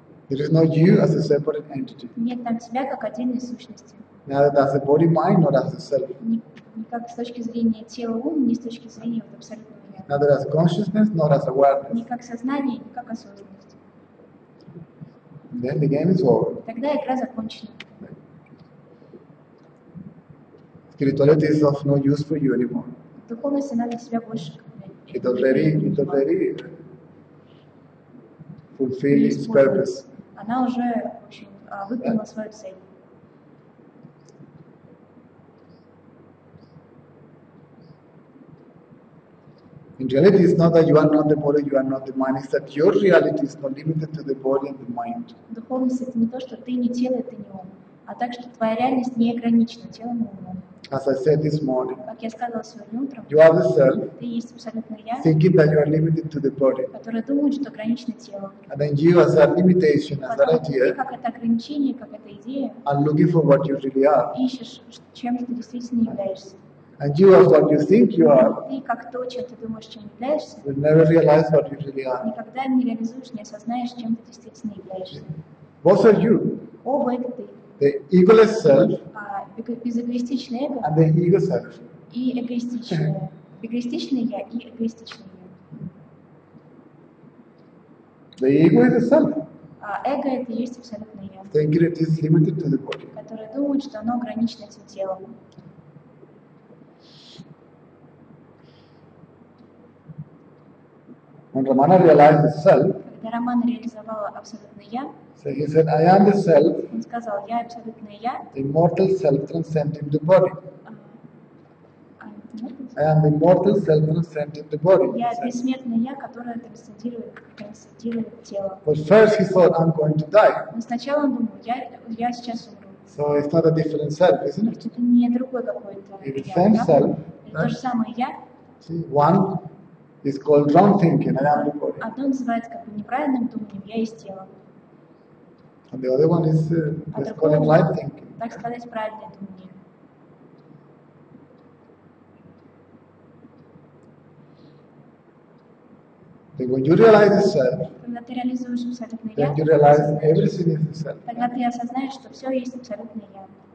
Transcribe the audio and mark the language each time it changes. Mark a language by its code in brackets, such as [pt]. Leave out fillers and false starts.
[en] There is no you as a separate entity. [ru] Нет там себя как отдельной сущности. [en] Neither as a body mind nor as a self. [ru] Ни как с точки зрения тела ум, ни с точки зрения вот абсолютного я. [en] Neither as consciousness nor as awareness. [ru] Ни как сознание, ни как осознанность. [en] Then the game is over. [ru] Тогда игра закончена. [en] Spirituality is of no use for you anymore. [ru] Духовность она для тебя больше. [en] It already fulfilled its purpose. [ru] Она уже выполнила свою цель. [en] In reality, it's not that you are not the body, you are not the mind. It's that your reality is not limited to the body and the mind. [ru] Духовность это не то, что ты не тело, ты не ум, а так что твоя реальность не ограничена телом и умом. [en] As I said this morning, [ru] как я сказала сегодня утром, [en] you are the self, [ru] ты есть абсолютно я, [en] thinking that you are limited to the body, [ru] которая думает, что ограничено тело. [en] And then you as a limitation, as an idea, [ru] ты как это ограничение, как эта идея, [en] and looking for what you really are, [ru] ищешь, чем ты действительно являешься. [en] And you as what you think you are, [ru] ты как то, чем ты думаешь, чем являешься, [en] will never realize what you really are. [ru] Никогда не реализуешь, не осознаешь, чем ты действительно являешься. [en] Both are you. [ru] Оба это ты. [en] The egoless self, [ru] безэгоистичное эго, [en] and the ego self. [ru] И эгоистичное, эгоистичное я и эгоистичное я. [en] The ego is the self. [ru] Эго это есть абсолютное я. [en] Thinking it is limited to the body. [ru] Которое думает, что оно ограничено этим телом. [en] When Ramana realized the self. [ru] Когда Роман реализовал абсолютное я. [en] So he said, I am the self. [ru] Он сказал, я абсолютное я. [en] The immortal self transcending the body. Immortal I am immortal, self-transcendent in the body. [ru] Я бессмертное я, которое трансцендирует тело. [en] But first he thought, I'm going to die. [ru] Но сначала он думал, я сейчас умру. [en] So it's not a different self, isn't it? [ru] Это не другой какой-то. [en] If it's same self, [ru] то же самое я. [en] See, one is called wrong thinking, I am the body. [ru] Одно называется как бы неправильным думанием, я есть тело. [en] And the other one is called enlightened thinking. [ru] Так сказать, правильное думание. [en] Then when you realize the self, [ru] когда ты реализуешь абсолютное я, [en] then you realize everything is the self. [ru] Тогда ты осознаешь, что все есть абсолютное я.